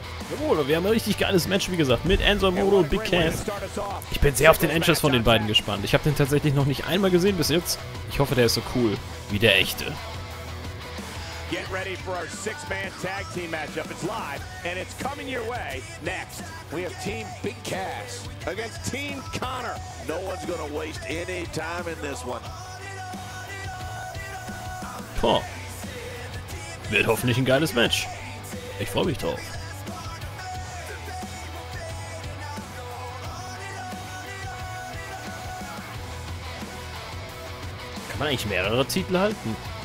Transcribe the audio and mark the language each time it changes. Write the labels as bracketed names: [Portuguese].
[German] Jawohl, wir haben ein richtig geiles Match, wie gesagt, mit Enzo Amore und Big Cass. Ich bin sehr auf den Entrance von den beiden gespannt. Ich habe den tatsächlich noch nicht einmal gesehen bis jetzt. Ich hoffe, der ist so cool wie der echte. [English] Get ready for our six-man tag team matchup. It's live and it's coming your way. Next, we have Team Big Cass against Team Connor. No one's gonna waste any time in this one. [German] Tor. Wird hoffentlich ein geiles Match. Ich freue mich drauf. Kann man eigentlich mehrere Titel halten?